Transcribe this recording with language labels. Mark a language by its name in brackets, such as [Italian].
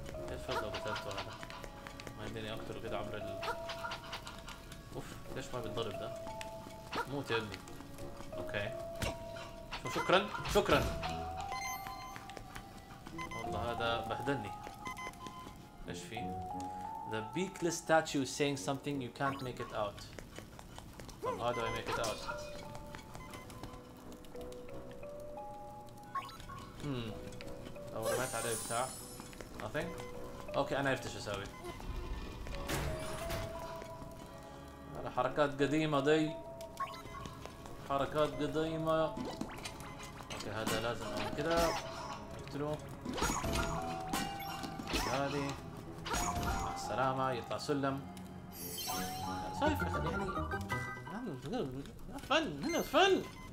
[Arabic] ايش فاز لو قتلته هذا؟ ما يمديني اقتله كده عبر ال اوف ليش ما بيتضرب ده؟ موت يا ابني. اوكي شكرا شكرا والله هذا بهدلني. ايش فيه؟ [English] The beakless statue is saying something you can't make it out. طب how do I make it out؟ [Arabic] أو رميت عليه بتاع [English] nothing. [Arabic] اوكي انا عرفت ايش اسوي. انا حركات قديمة دي حركات قديمة. اوكي هذا لازم اعمل كده اقتله. هذي مع السلامة يطلع سلم. شايف يعني فن هنا فن.